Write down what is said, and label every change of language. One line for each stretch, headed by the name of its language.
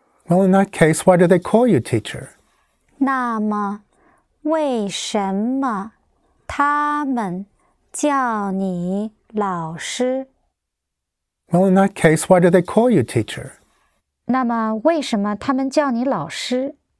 English: Well, in that case, why do they call you teacher?
Chinese: 那么为什么他们 叫你老师?
English: Well, in that case, why do they call you teacher?
Chinese: 那么为什么他们叫你老师?